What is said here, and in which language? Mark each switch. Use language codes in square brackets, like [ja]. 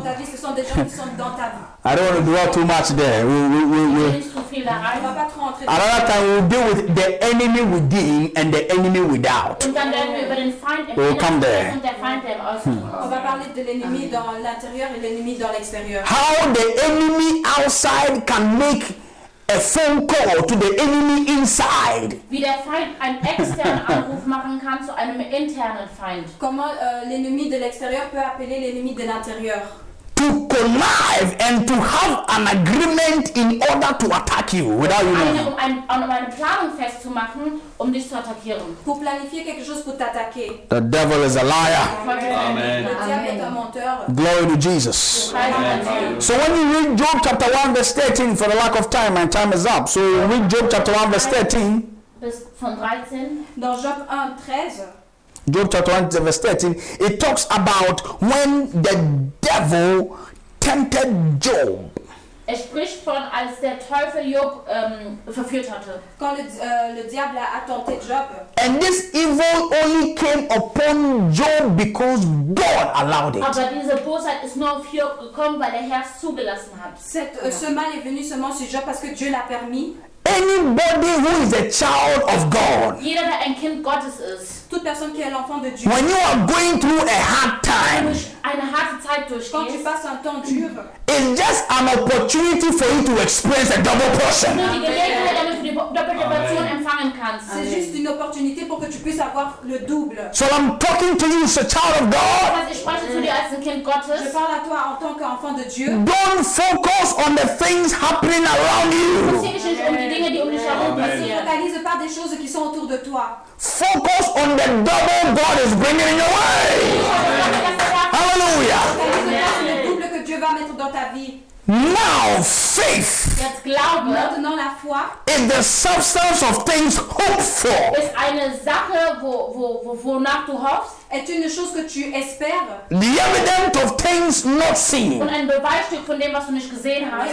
[en] I don't want to dwell too much there. Another time we'll deal with the enemy within and the enemy without. We'll come there. How the enemy outside can make a phone call to the enemy inside. [de] Wie der Feind einen externen Anruf machen kann zu einem internen Feind. [fr] Comment l'ennemi de l'extérieur peut appeler l'ennemi de l'intérieur. [en] To connive and to have an agreement in order to attack you without you knowing. [de] Eine Planung festzumachen, um dich zu attackieren. [fr] Pour planifier quelque chose pour t'attaquer. [en] The devil is a liar. Amen. [fr] Le diable est un menteur. [en] Glory to Jesus. Amen. So when you read Job chapter 1 verse 13, for the lack of time, my time is up. So you read Job chapter 1 verse 13. [de] Von 13. [fr] Dans Job 1, 13. [en] Job chapter 1 verse 13, it talks about when the devil tempted Job. [de] Er spricht von, als der Teufel Job verführt hatte. [fr] Quand le diable a tenté Job. [en] And this evil only came upon Job because God allowed it. [de] Aber diese Bosheit ist nur auf Job gekommen, weil der Herr es zugelassen hat. [fr] Ce mal est venu seulement sur Job parce que Dieu l'a permis. [en] Anybody who is a child of God. [de] Jeder, der ein Kind Gottes ist. [fr] Toute personne qui est l'enfant de Dieu. [en] When you are going through a hard time. [de] Eine harte Zeit durchgehst. [fr] Quand tu passes un temps dur. [en] It's just an opportunity for you to experience a double portion. [de] Nur die Gelegenheit, damit du die doppelte Portion empfangen kannst. [fr] C'est juste une opportunité puisse avoir le double. [en] So I'm talking to you as a child of God. [fr] Je parle à toi en tant qu'enfant de Dieu. [en] Don't focus on the things happening around you. [fr] Ne focalise pas des choses qui sont autour de toi. [en] Focus on the double God is bringing in your way. Hallelujah. [fr] Le double que Dieu va mettre dans ta vie. [en] Now faith [fr] la foi [en] is the substance of things hoped for. [de] Ist eine Sache, wonach du hoffst. [fr] Est une chose que tu espères. [en] The evidence of things not seen. [de] Und ein Beweisstück von dem, was du nicht gesehen hast.